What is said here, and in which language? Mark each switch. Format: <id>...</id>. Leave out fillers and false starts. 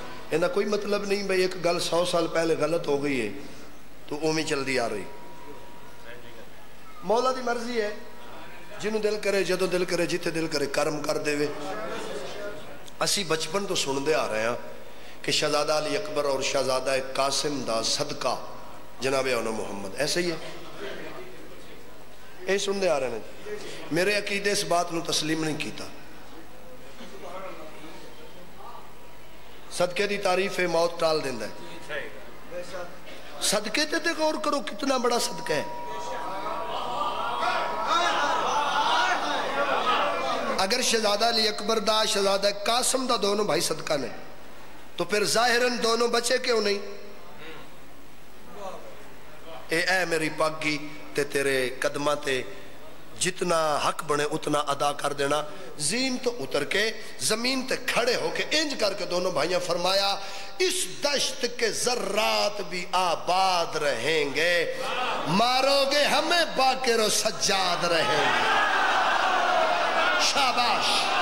<pa>اینا کوئی مطلب نہیں بھائی ایک گل 100 سال پہلے غلط ہو گئی ہے تو اوویں چلدی آ رہی. مولا دی مرضی ہے جنوں دل کرے جدو دل کرے جتھے دل کرے کرم کر دے وے. اسی بچپن تو سنتے آ رہے ہاں کہ شہزادہ علی اکبر اور شہزادہ قاسم دا صدقہ جناب آنا محمد, ایسے ہی ہے یہ سن دے آ رہے ہیں. میرے عقیدے اس بات نو تسلیم نہیں کیتا. صدقے دی تعریف موت ٹال دیندا ہے. صدقے تے تے غور کرو کتنا بڑا صدقہ ہے. اگر شہزادہ علی اکبر دا شہزادہ قاسم دا دونوں بھائی صدقہ نے تو پھر ظاہراً دونوں بچے کیوں نہیں. اے میری پگ گی تے تیرے قدماں تے جتنا حق بنے اتنا ادا کر دینا. زین تو اتر کے زمین تے کھڑے ہو کے انج کر کے دونوں بھائیاں فرمایا</pa> <ur>اس دشت کے ذرات بھی آباد رہیں گے, مارو گے ہمیں باقر و سجاد رہیں گے.</ur> <pa>شاباش.</pa>